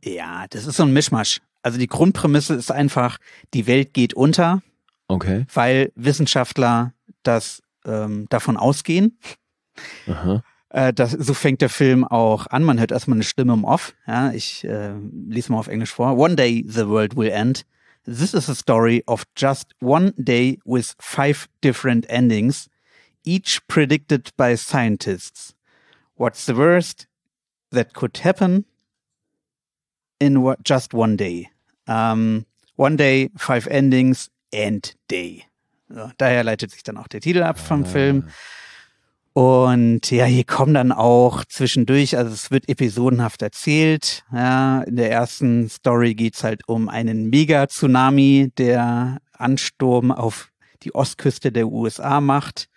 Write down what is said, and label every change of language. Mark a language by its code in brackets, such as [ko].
[de] Ja, das ist so ein Mischmasch. Also die Grundprämisse ist einfach, die Welt geht unter. Okay. Weil Wissenschaftler das davon ausgehen. Aha. So fängt der Film auch an. Man hört erstmal eine Stimme im Off. Ja, ich lese mal auf Englisch vor. [en] One day the world will end. This is a story of just one day with 5 different endings, each predicted by scientists. What's the worst that could happen in just one day? One day, 5 endings, end day. [de] So, daher leitet sich dann auch der Titel ab vom Film. Und ja, hier kommen dann auch zwischendurch, also es wird episodenhaft erzählt. Ja, in der ersten Story geht es halt um einen Mega-Tsunami, der Ansturm auf die Ostküste der USA macht.